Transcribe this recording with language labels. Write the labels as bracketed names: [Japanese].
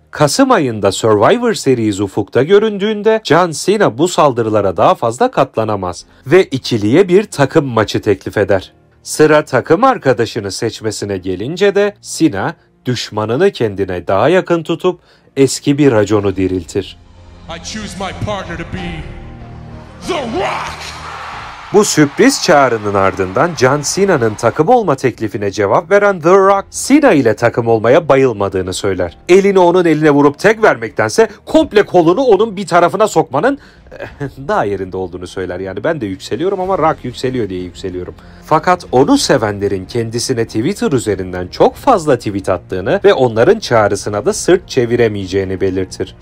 [Turkish] Kasım ayında Survivor Series ufukta göründüğünde John Cena bu saldırılara daha fazla katlanamaz ve ikiliye bir takım maçı teklif eder. Sıra takım arkadaşını seçmesine gelince de Cena düşmanını kendine daha yakın tutup eski bir raconu diriltir. [English] I choose my partner to be The Rock. [Turkish] Bu sürpriz çağrının ardından John Cena'nın takım olma teklifine cevap veren The Rock, Cena ile takım olmaya bayılmadığını söyler. Elini onun eline vurup tag vermektense komple kolunu onun bir tarafına sokmanın daha yerinde olduğunu söyler. Yani ben de yükseliyorum ama Rock yükseliyor diye yükseliyorum. Fakat onu sevenlerin kendisine Twitter üzerinden çok fazla tweet attığını ve onların çağrısına da sırt çeviremeyeceğini belirtir.